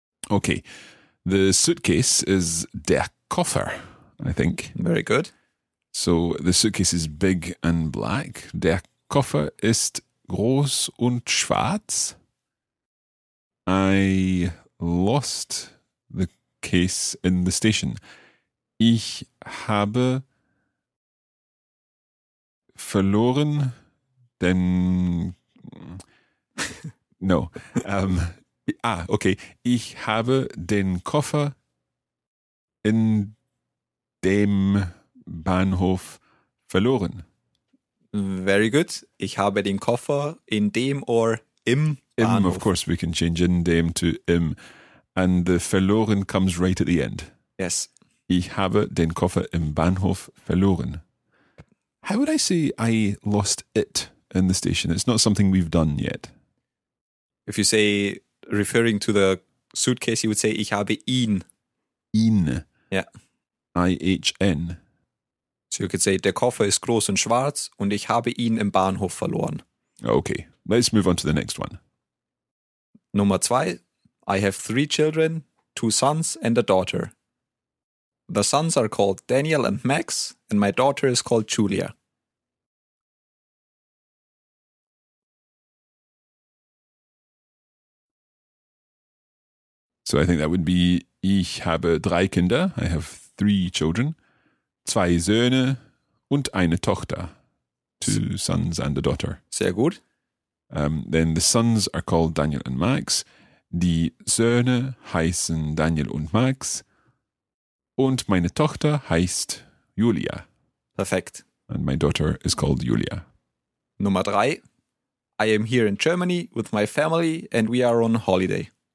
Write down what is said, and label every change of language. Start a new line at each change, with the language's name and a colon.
English: Okay. The suitcase is der Koffer. I think. Very good. So the suitcase is big and black.
German: Der Koffer ist groß und schwarz.
English: I lost the case in the station.
German: Ich habe verloren den...
English: No. Okay.
German: Ich habe den Koffer in... dem Bahnhof verloren.
English: Very good.
German: Ich habe den Koffer in dem or im Bahnhof.
English: Im, of course, we can change in dem to im. And the verloren comes right at the end. Yes.
German: Ich habe den Koffer im Bahnhof verloren.
English: How would I say I lost it in the station? It's not something we've done yet. If you say, referring to the suitcase, you would say,
German: ich habe ihn. Ihn.
English: Yeah.
German: IHN.
English: So you could say,
German: der Koffer ist groß und schwarz und ich habe ihn im Bahnhof verloren.
English: Okay, let's move on to the next one. Nummer 2. I have 3 children, 2 sons and a daughter. The sons are called Daniel and Max and my daughter is called Julia. So I think that would be,
German: ich habe 3 Kinder,
English: I have 3 children,
German: 2 Söhne und eine Tochter.
English: 2 sons and a daughter.
German: Sehr gut.
English: Then the sons are called Daniel and Max.
German: Die Söhne heißen Daniel und Max. Und meine Tochter heißt Julia. Perfekt.
English: And my daughter is called Julia.
German: Nummer 3.
English: I am here in Germany with my family and we are on holiday.